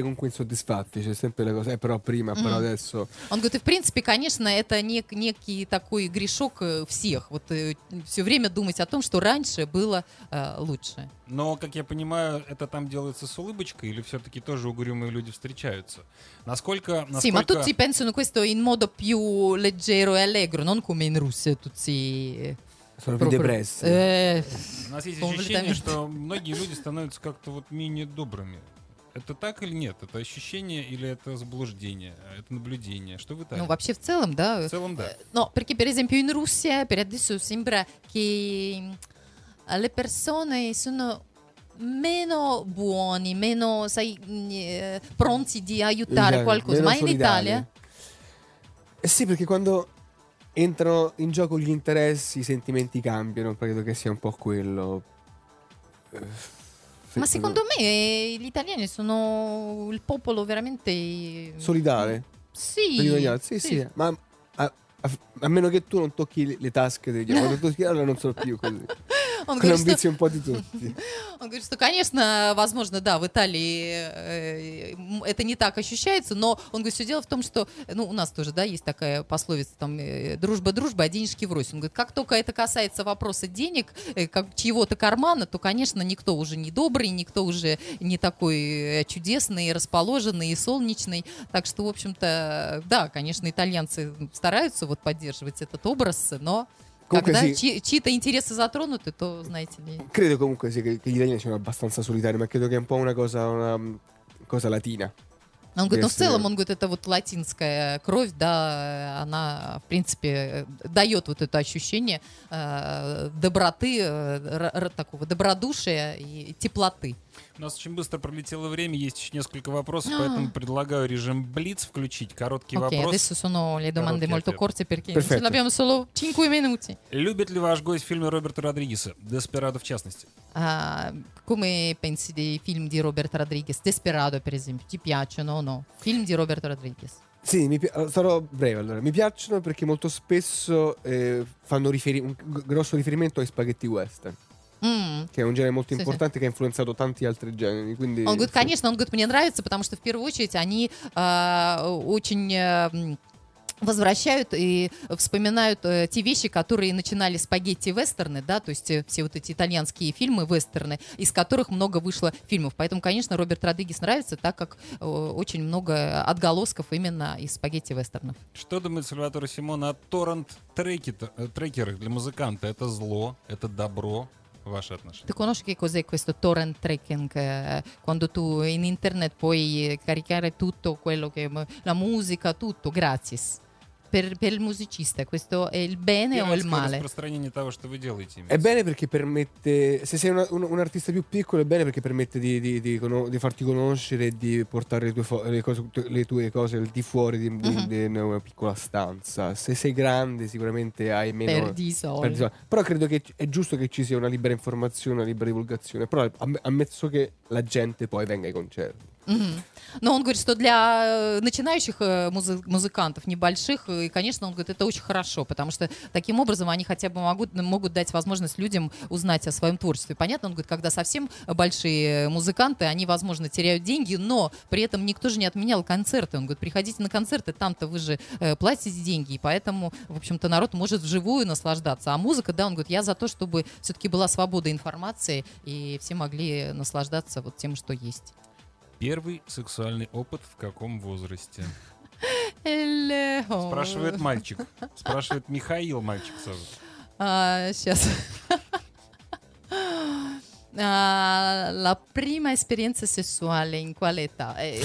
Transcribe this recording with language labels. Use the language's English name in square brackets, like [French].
[Italian] Soddisfatti, c'è sempre la cosa, però prima, però adesso. [Russian] Он говорит, в принципе, конечно, это некий такой грешок всех, вот все время думать о том, что раньше было лучше. Но, как я понимаю, это там делается с улыбочкой или все-таки тоже угрюмые люди встречаются? Насколько... [Italian] Sì, ma tutti pensano questo in modo più leggero e allegro, non come in Russia tutti... Sono più depressi. [Russian] У нас есть ощущение, что многие люди становятся как-то вот менее добрыми. Это так или нет? Это ощущение или это заблуждение? Это наблюдение? Что в Италии? Ну, вообще в целом, да. В целом, да. [Italian] Но, perché, per esempio, in Russia, per adesso, sembra che le persone sono meno buoni, meno, sai, pronti di aiutare qualcosa. Ma in Italia? Sì, perché quando entrano in gioco gli interessi, i sentimenti cambiano. Credo che sia un po' quello... Ma secondo me gli italiani sono il popolo veramente... Solidale? Sì. Sì. Ma a meno che tu non tocchi le tasche degli italiani, allora non sono più così. [Russian] Он к амбициям подойдут. Он говорит, что, конечно, возможно, да, в Италии это не так ощущается, но он говорит, все дело в том, что, ну, у нас тоже, да, есть такая пословица, там, дружба-дружба, а денежки врозь. Он говорит, как только это касается вопроса денег, как чьего-то кармана, то, конечно, никто уже не добрый, никто уже не такой чудесный, расположенный и солнечный. Так что, в общем-то, да, конечно, итальянцы стараются вот поддерживать этот образ, но... Когда чьи-то интересы затронуты, то, знаете ли... [Italian] Credo comunque sì, che gli italiani sono abbastanza solitari, ma credo che è un po' una cosa, una cosa latina. [Russian] Он говорит, ну, в целом, он говорит, это вот латинская кровь, да, она, в принципе, дает вот это ощущение доброты, такого добродушия и теплоты. У нас очень быстро пролетело время, есть еще несколько вопросов, поэтому предлагаю режим блиц включить, короткий вопрос. [Italian] Окей, adesso sono le domande molto corte perché ce l'abbiamo solo 5 minuti. [Russian] Любит ли ваш гость фильмы Роберта Родригеса, Desperado в частности? [Italian] Come pensi dei film di Robert Rodriguez? Desperado, per esempio. Ti piacciono o no? Film di Robert Rodriguez. Sì, sarò breve allora. Mi piacciono perché molto spesso fanno un grosso riferimento ai spaghetti western. Che è un genere molto importante, che ha influenzato tanti altri generi. Quindi, [Russian] он говорит, конечно, он говорит, мне нравится, потому что в первую очередь они очень... возвращают и вспоминают те вещи, которые начинали спагетти-вестерны, да, то есть все вот эти итальянские фильмы-вестерны, из которых много вышло фильмов. Поэтому, конечно, Роберт Родригес нравится, так как очень много отголосков именно из спагетти-вестернов. Что думает Сальваторе Симона о торрент-трекерах для музыканта? Это зло, это добро? Ваше отношение. Ты [Italian] conosci che cos'è questo torrent tracking? Quando tu in internet puoi caricare tutto quello che la musica, tutto gratis. Per il musicista, questo è il bene o il male? [Russian] Распространение того, что вы делаете. [Italian] È bene perché permette, se sei un artista più piccolo, è bene perché permette di farti conoscere, di portare le tue cose di fuori di una piccola stanza. Se sei grande, sicuramente hai meno. Per di soli. Però credo che è giusto che ci sia una libera informazione, una libera divulgazione. Però ammesso che la gente poi venga ai concerti. [Russian] Но он говорит, что для начинающих музыкантов небольших, и, конечно, он говорит, это очень хорошо, потому что таким образом они хотя бы могут дать возможность людям узнать о своем творчестве. Понятно, он говорит, когда совсем большие музыканты, они, возможно, теряют деньги, но при этом никто же не отменял концерты. Он говорит, приходите на концерты, там-то вы же платите деньги, и поэтому, в общем-то, народ может вживую наслаждаться. А музыка, да, он говорит, я за то, чтобы все-таки была свобода информации, и все могли наслаждаться вот тем, что есть. Первый сексуальный опыт в каком возрасте? [English] Hello. [Russian] Спрашивает мальчик. Спрашивает Михаил, мальчик сразу. Сейчас. [Italian] La prima esperienza sessuale in quale età?